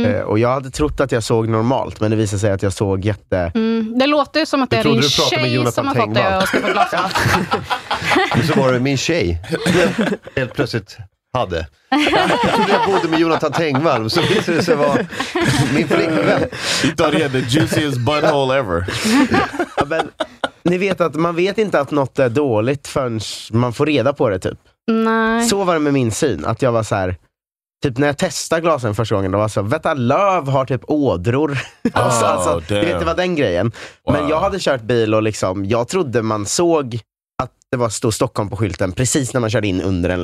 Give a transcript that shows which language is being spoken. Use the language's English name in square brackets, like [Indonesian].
[Swedish] Och jag hade trott att jag såg normalt, men det visade sig att jag såg jätte... Det låter ju som att det är din tjej som har fått dig att skaffa glasögon. Så var det min tjej. Helt plötsligt... hade. Jag trodde jag bodde med Jonathan Tengvall, så visade det sig vara min flickvän. [English] He thought he had the juiciest butthole ever. [Swedish] Ja, men, ni vet att man vet inte att något är dåligt förrän man får reda på det, typ. Nej. Så var det med min syn, att jag var så här, typ när jag testade glasen första gången, då var så, vet du, löv har typ ådror. Oh, alltså, du vet, det var den grejen. Wow. Men jag hade kört bil och liksom, jag trodde man såg att det var stå Stockholm på skylten precis när man körde in under den.